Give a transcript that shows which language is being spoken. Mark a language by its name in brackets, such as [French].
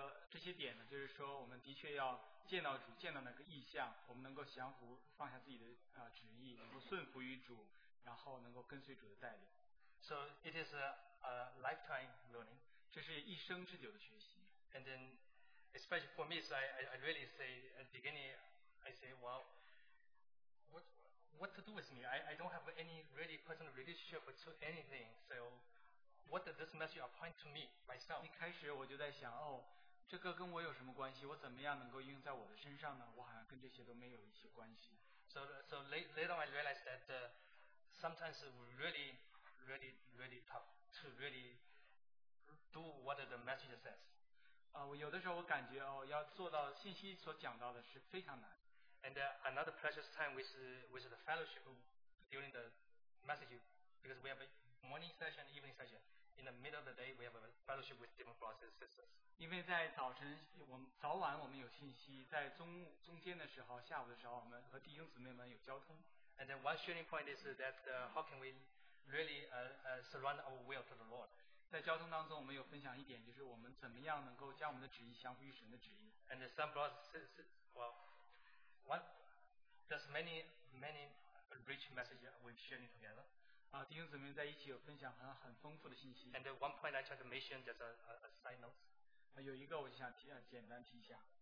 [Chinese] 这些点呢，就是说我们的确要见到主，见到那个意象，我们能够降服，放下自己的旨意，能够顺服于主，然后能够跟随主的带领。 [English] So it is a lifetime learning. [Chinese] 这是一生之久的学习。 [English] And then, especially for me, I really say at the beginning, I say, well, what to do with me? I don't have any really personal relationship to anything. So. What does this message appoint to me myself? [Chinese] 一开始我就在想，这个跟我有什么关系？我怎么样能够用在我的身上呢？我好像跟这些都没有一些关系。 [English] So later on I realized that sometimes we really, really, really tough to really do what the message says. [Chinese] 我有的时候我感觉要做到信息所讲到的是非常难。 [English] And another precious time with the fellowship during the message because we have a morning session, evening session. In the middle of the day, we have a fellowship with different brothers and sisters. [Chinese] 因为在早晨，早晚我们有信息，在中间的时候，下午的时候，我们和弟兄姊妹们有交通。 [English] And then one sharing point is that how can we really surrender our will to the Lord? [Chinese] 在交通当中，我们有分享一点，就是我们怎么样能够将我们的旨意降服于神的旨意。 [English] And some brothers, there's many rich messages we sharing together. [Chinese] 弟兄姊妹在一起有分享很丰富的信息。 [English] And one point I try to mention just a side note. [Chinese] 有一个我想简单提一下。